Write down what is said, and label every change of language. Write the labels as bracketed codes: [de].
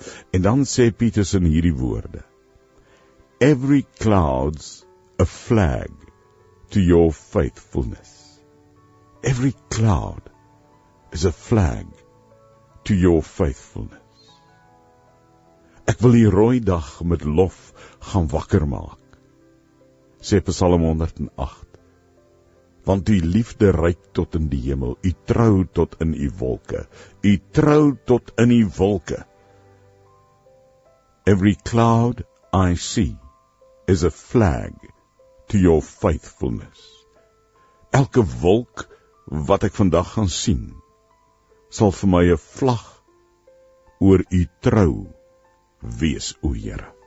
[af] En dan sê Peterson hierdie woorde, [en] every cloud's a flag to your faithfulness. Every cloud is a flag to your faithfulness. [af] Ek wil die rooi dag met lof gaan wakker maak, sê Psalm 108, want die liefde reik tot in die hemel, u trou tot in die wolke, u trou tot in die wolke. [en] Every cloud I see is a flag to your faithfulness. [af] Elke wolk wat ek vandag gaan sien, sal vir my 'n vlag oor u trou wees, o Here.